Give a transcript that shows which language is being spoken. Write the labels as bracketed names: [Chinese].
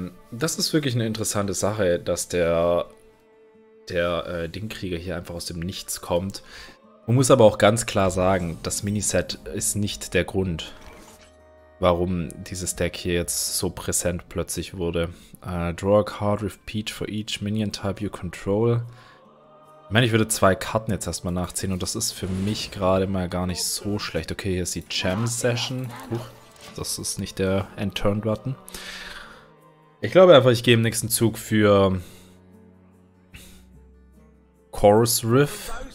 [German] Das ist wirklich eine interessante Sache, dass der Dingkrieger hier einfach aus dem Nichts kommt. Man muss aber auch ganz klar sagen, das Miniset ist nicht der Grund, warum dieses Deck hier jetzt so präsent plötzlich wurde. [English] Draw a card with Peach for each minion type you control. [German] Ich meine, ich würde 2 Karten jetzt erstmal nachziehen und das ist für mich gerade mal gar nicht so schlecht. Okay, hier ist die Jam Session. Huch, das ist nicht der End-Turn-Button. Ich glaube einfach, ich gehe im nächsten Zug für Chorus Riff.